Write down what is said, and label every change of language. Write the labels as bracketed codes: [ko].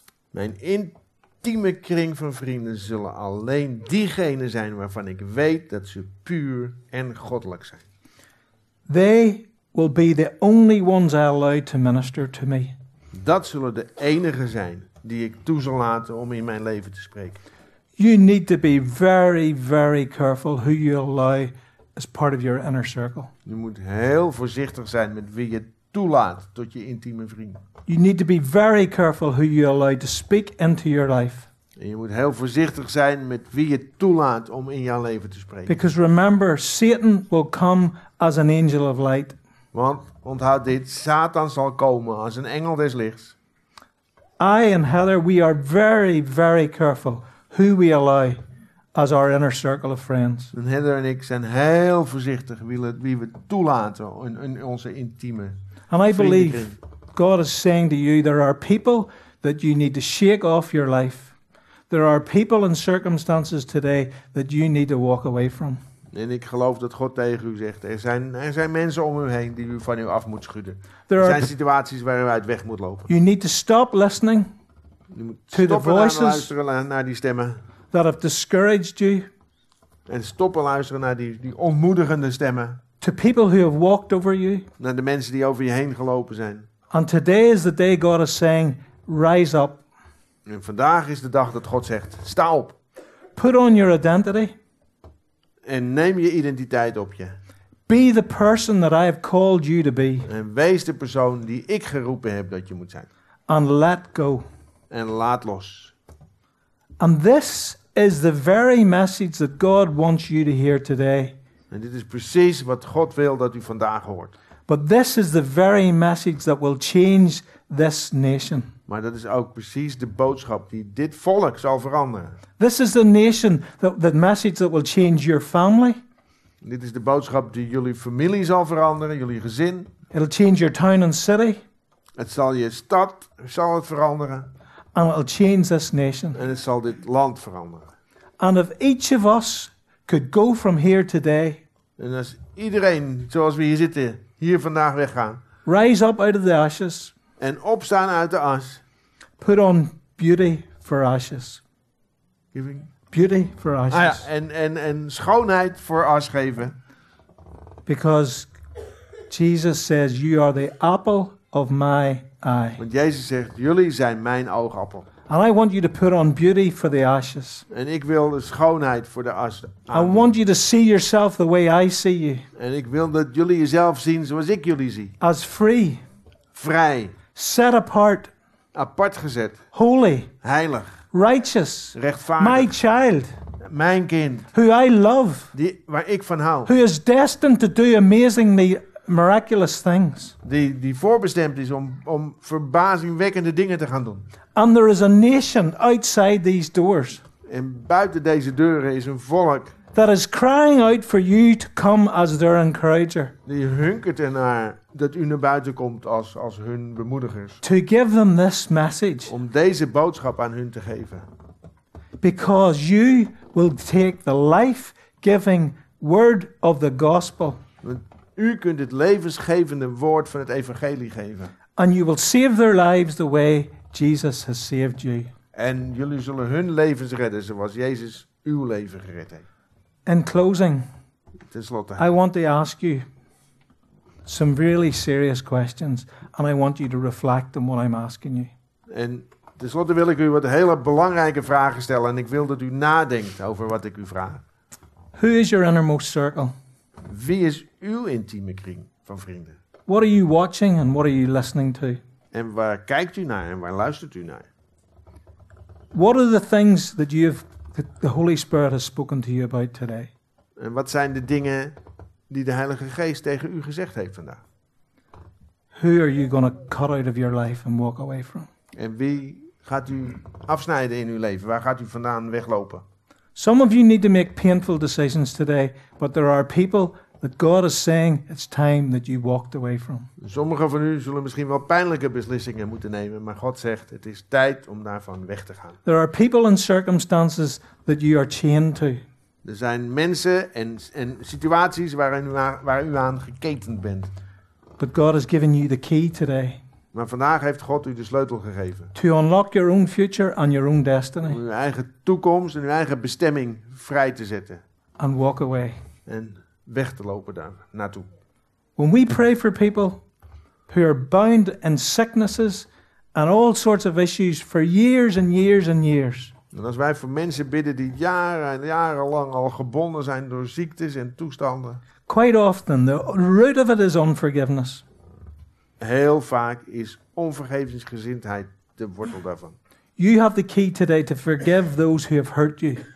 [nl] Mijn intieme kring van vrienden zullen alleen diegenen zijn waarvan ik weet dat ze puur en goddelijk zijn. [en] They will be the only ones I allow to minister to me. [nl] Dat zullen de enigen zijn die ik toe zal laten om in mijn leven te spreken. [en] You need to be very, very careful who you allow as part of your inner circle. [nl] Je moet heel voorzichtig zijn met wie je toelaat tot je intieme vrienden. [en] You need to be very careful who you allow to speak into your life. [nl] En je moet heel voorzichtig zijn met wie je toelaat om in jouw leven te spreken. [en] Because remember, Satan will come as an angel of light. [nl] Want onthoud dit, Satan zal komen als een engel des lichts. [en] I and Heather, we are very, very careful who we allow as our inner circle of friends. [nl] En Heather en ik zijn heel voorzichtig wie we toelaten in onze intieme vriendenkring. [en] And I believe God is saying to you, there are people that you need to shake off your life. There are people and circumstances today that you need to walk away from. [nl] En ik geloof dat God tegen u zegt, er zijn mensen om u heen die u van u af moet schudden. Er zijn situaties waar u uit weg moet lopen. [en] You need to stop listening. [nl] Je moet stoppen luisteren naar die stemmen. [en] That have discouraged you. [nl] En stoppen luisteren naar die ontmoedigende stemmen. [en] To people who have walked over you. [nl] Naar de mensen die over je heen gelopen zijn. [en] And today is the day God is saying, rise up. [nl] En vandaag is de dag dat God zegt, sta op. [en] Put on your identity. [nl] En neem je identiteit op je. [en] Be the person that I have called you to be. [nl] En wees de persoon die ik geroepen heb dat je moet zijn. [en] And let go. [nl] En laat los. [en] And this is the very message that God wants you to hear today. [nl] En dit is precies wat God wil dat u vandaag hoort. [en] But this is the very message that will change this nation. [nl] Maar dat is ook precies de boodschap die dit volk zal veranderen. [en] This is the nation that message that will change your family. [nl] Dit is de boodschap die jullie familie zal veranderen, jullie gezin. [en] It'll change your town and city. [nl] Het zal je stad zal het veranderen. [en] And it'll change this nation. [nl] En het zal dit land veranderen. [en] And if each of us could go from here today. [nl] En als iedereen zoals we hier zitten hier vandaag weggaan. [en] Rise up out of the ashes. [nl] En opstaan uit de as. [en] Put on beauty for ashes. Giving beauty for ashes. [nl] Ah ja, en schoonheid voor as geven. [en] Because Jesus says you are the apple of my eye. [nl] Want Jezus zegt jullie zijn mijn oogappel. [en] And I want you to put on beauty for the ashes. [nl] En ik wil de schoonheid voor de as. [en] I want you to see yourself the way I see you. [nl] En ik wil dat jullie jezelf zien zoals ik jullie zie. [en] As free. [nl] Vrij. [en] Set apart. [nl] Apart gezet. [en] Holy. [nl] Heilig. [en] Righteous. [nl] Rechtvaardig. [en] My child. [nl] Mijn kind. [en] Who I love. [nl] Die, waar ik van hou. [en] Who is destined to do amazingly miraculous things. [nl] Die voorbestemd is om verbazingwekkende dingen te gaan doen. [en] And there is a nation outside these doors. [nl] En buiten deze deuren is een volk. [en] That is crying out for you to come as their encourager. [nl] Die hunkert ernaar dat u naar buiten komt als hun bemoedigers. [en] To give them this message. [nl] Om deze boodschap aan hun te geven. [en] Because you will take the life-giving word of the gospel. [nl] Want u kunt het levensgevende woord van het evangelie geven. [en] And you will save their lives the way Jesus has saved you. [nl] En jullie zullen hun levens redden zoals Jezus uw leven gered heeft. [en] In closing, [nl] tenslotte, [en] I want to ask you some really serious questions, and I want you to reflect on what I'm asking you. [nl] En tenslotte wil ik u wat hele belangrijke vragen stellen, en ik wil dat u nadenkt over wat ik u vraag. [en] Who is your innermost circle? [nl] Wie is uw intieme kring van vrienden? [en] What are you watching and what are you listening to? [nl] En waar kijkt u naar en waar luistert u naar? [en] What are the things that you have? The Holy Spirit has spoken to you about today. [nl] En wat zijn de dingen die de Heilige Geest tegen u gezegd heeft vandaag? [en] Who are you going to cut out of your life and walk away from? [nl] En wie gaat u afsnijden in uw leven? Waar gaat u vandaan weglopen? [en] Some of you need to make painful decisions today, but there are people that God is saying it's time that you walked away from. [nl] Sommigen van u zullen misschien wel pijnlijke beslissingen moeten nemen, maar God zegt het is tijd om daarvan weg te gaan. [en] There are people and circumstances that you are chained to. [nl] Er zijn mensen en situaties waar u aan geketend bent. [en] But God has given you the key today. [nl] Maar vandaag heeft God u de sleutel gegeven. [en] To unlock your own future and your own destiny. [nl] Om uw eigen toekomst en uw eigen bestemming vrij te zetten. [en] And walk away. [nl] En weg te lopen daar naartoe. [en] When we pray for people who are bound in sicknesses and all sorts of issues for years and years and years. [nl] En als wij voor mensen bidden die jaren en jaren lang al gebonden zijn door ziektes en toestanden. [en] Quite often the root of it is unforgiveness. [nl] Heel vaak is onvergevingsgezindheid de wortel daarvan. [en] You have the key today to forgive those who have hurt you.